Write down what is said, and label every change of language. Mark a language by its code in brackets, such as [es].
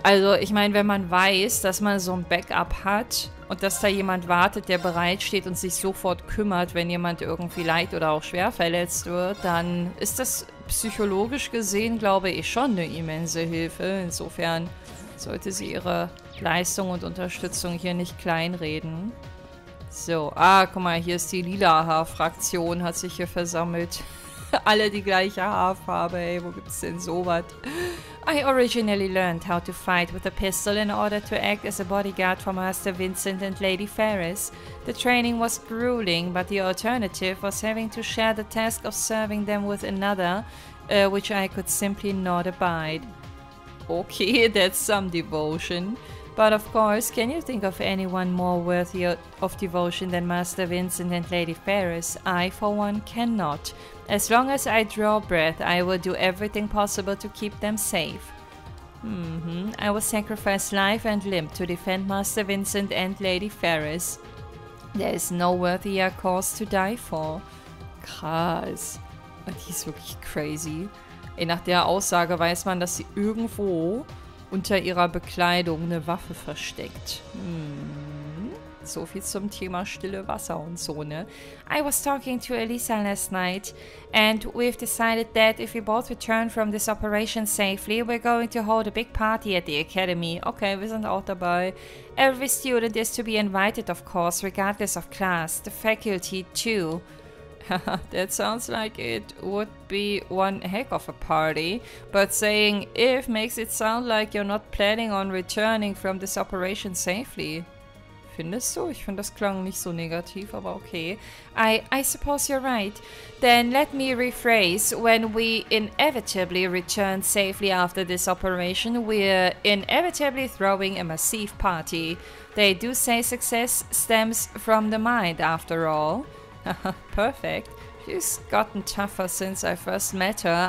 [de] Also, ich meine, wenn man weiß, dass man so ein Backup hat und dass da jemand wartet, der bereitsteht und sich sofort kümmert, wenn jemand irgendwie leicht oder auch schwer verletzt wird, dann ist das psychologisch gesehen, glaube ich, schon eine immense Hilfe. Insofern sollte sie ihre Leistung und Unterstützung hier nicht kleinreden. So, guck mal, hier ist die Lila-Haar-Fraktion, hat sich hier versammelt. Alle die gleiche Haarfarbe, ey, wo gibt's denn sowas? [en] I originally learned how to fight with a pistol in order to act as a bodyguard for Master Vincent and Lady Ferris. The training was grueling, but the alternative was having to share the task of serving them with another, which I could simply not abide. Okay, that's some devotion. But of course, can you think of anyone more worthy of devotion than Master Vincent and Lady Ferris? I, for one, cannot. As long as I draw breath, I will do everything possible to keep them safe. I will sacrifice life and limb to defend Master Vincent and Lady Ferris. There is no worthier cause to die for. [de] Krass. Und die ist wirklich crazy. Ey, nach der Aussage weiß man, dass sie irgendwo unter ihrer Bekleidung eine Waffe versteckt. So viel zum Thema stille Wasser und so, ne? [en] I was talking to Elisa last night and we've decided that if we both return from this operation safely, we're going to hold a big party at the academy. [de] Okay, wir sind auch dabei. [en] Every student is to be invited, of course, regardless of class. The faculty, too. That sounds like it would be one heck of a party, but saying if makes it sound like you're not planning on returning from this operation safely. [de] Findest du? Ich finde, das klang nicht so negativ, aber okay. [en] I suppose you're right. Then let me rephrase. When we inevitably return safely after this operation, we're inevitably throwing a massive party. They do say success stems from the mind, after all. Perfect. She's gotten tougher since I first met her.